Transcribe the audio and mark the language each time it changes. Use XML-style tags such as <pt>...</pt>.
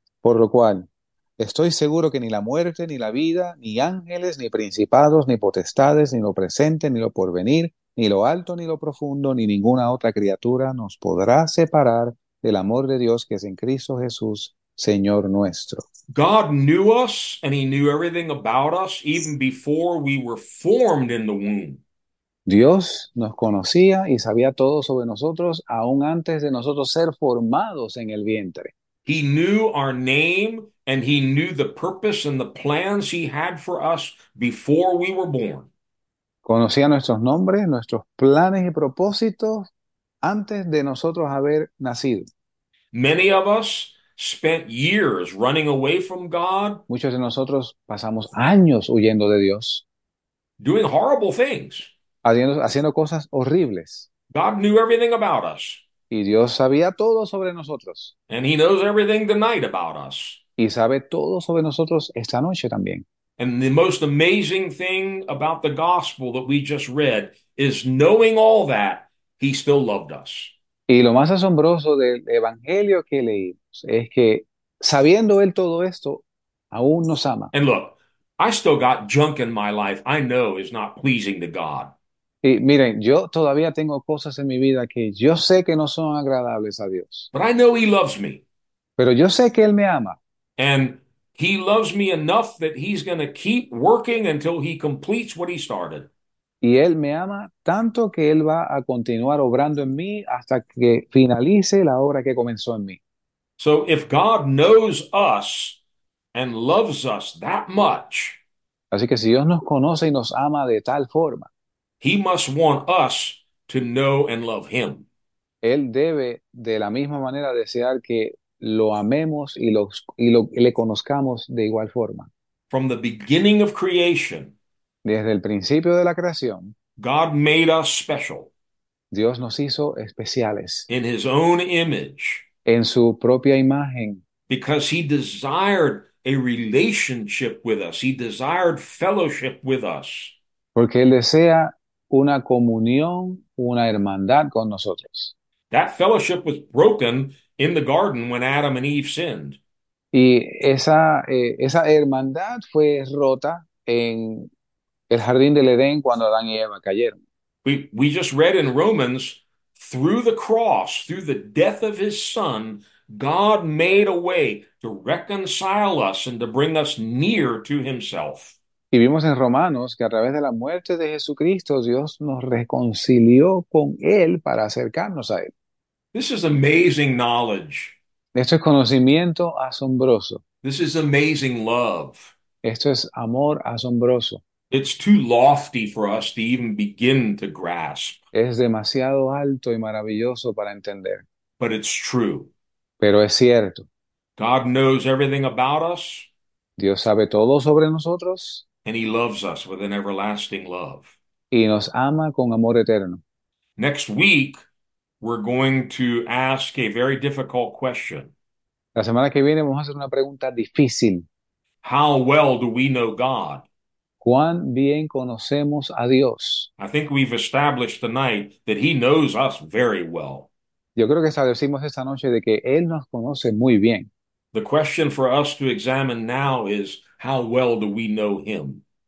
<es>Por lo cual, estoy seguro que ni la muerte, ni la vida, ni ángeles, ni principados, ni potestades, ni lo presente, ni lo porvenir, ni lo alto ni lo profundo, ni ninguna otra criatura nos podrá separar del amor de Dios que es en Cristo Jesús, Señor nuestro.</es> <en>God knew us and he knew everything about us even before we were formed in the womb.</en> <es>Dios nos conocía y sabía todo sobre nosotros aún antes de nosotros ser formados en el vientre.</es> <en>He knew our name and he knew the purpose and the plans he had for us before we were born.</en> <es>Conocía nuestros nombres, nuestros planes y propósitos antes de nosotros haber nacido.</es> <en>Many of us spent years running away from God,</en> <es>Muchos de nosotros pasamos años huyendo de Dios,</es> <en>doing horrible things.</en> <es>haciendo cosas horribles.</es> <en>God knew everything about us.</en> <es>Y Dios sabía todo sobre nosotros.</es> <en>And he knows everything tonight about us.</en> <es>Y sabe todo sobre nosotros esta noche también.</es> <en>And the most amazing thing about the gospel that we just read is knowing all that, he still loved us.</en> <es>Y lo más asombroso del evangelio que leímos es que sabiendo él todo esto, aún nos ama.</es> <en>And look, I still got junk in my life I know is not pleasing to God.</en> <es>Y miren, yo todavía tengo cosas en mi vida que yo sé que no son agradables a Dios.</es> <en>But I know he loves me.</en> <es>Pero yo sé que él me ama.</es> <en>And he loves me enough that he's going to keep working until he completes what he started.</en> <es>Y él me ama tanto que él va a continuar obrando en mí hasta que finalice la obra que comenzó en mí.</es> <en>So if God knows us and loves us that much,</en> <es>Así que si Dios nos conoce y nos ama de tal forma,</es> <en>he must want us to know and love him.</en> <es>él debe de la misma manera desear que lo amemos y le conozcamos de igual forma.</es> <en>From the beginning of creation,</en> <es>Desde el principio de la creación,</es> <en>God made us special</en> <es>Dios nos hizo especiales</es> <en>in his own image</en> <es>en su propia imagen.</es> <en>because he desired a relationship with us. He desired fellowship with us.</en> <es>Porque él desea una comunión, una hermandad con nosotros.</es> <en>That fellowship was broken in the garden when Adam and Eve sinned.</en> <es>Y esa hermandad fue rota en el jardín del Edén cuando Adán y Eva cayeron.</es> <en>We just read in Romans, through the cross, through the death of his son, God made a way to reconcile us and to bring us near to himself.</en> <es>Y vimos en Romanos que a través de la muerte de Jesucristo, Dios nos reconcilió con Él para acercarnos a Él.</es> <en>This is amazing knowledge.</en> <es>Esto es conocimiento asombroso.</es> <en>This is amazing love.</en> <es>Esto es amor asombroso.</es> <en>It's too lofty for us to even begin to grasp.</en> <es>Es demasiado alto y maravilloso para entender.</es> <en>But it's true.</en> <es>Pero es cierto.</es> <en>God knows everything about us,</en> <es>Dios sabe todo sobre nosotros</es> <en>and he loves us with an everlasting love.</en> <es>y nos ama con amor eterno.</es> <en>Next week, we're going to ask a very difficult question.</en> <es>La semana que viene vamos a hacer una pregunta difícil.</es> <en>How well do we know God?</en> <es>¿Cuán bien conocemos a Dios?</es> <en>I think we've established tonight that he knows us very well.</en> <es>Yo creo que establecimos esta noche de que Él nos conoce muy bien.</es> <en>The question for us to examine now is how well do we know him?</en>